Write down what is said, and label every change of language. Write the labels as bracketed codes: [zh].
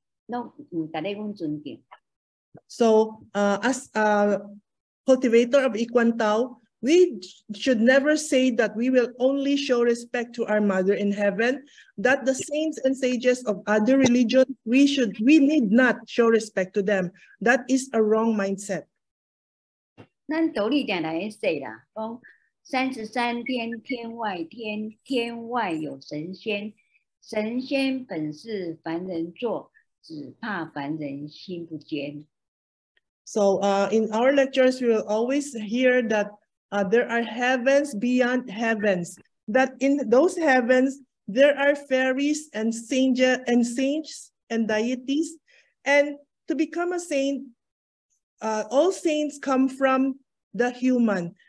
[nan] 啊，咱一贯道的地主绝对袂用讲啊，阮信老母娘就好啊，其他恁一贯拢唔是，拢唔值得阮尊敬。 [en] So as a cultivator of I-Kuan Tao, we should never say that we will only show respect to our mother in heaven, that the saints and sages of other religions, we need not show respect to them. That is a wrong mindset. [nan] 咱独立点来说啦，讲三十三天天外天，天外有神仙，神仙本是凡人做，只怕凡人心不坚。 [en] So in our lectures, we will always hear that there are heavens beyond heavens, that in those heavens, there are fairies and saints and deities. And to become a saint, all saints come from the human.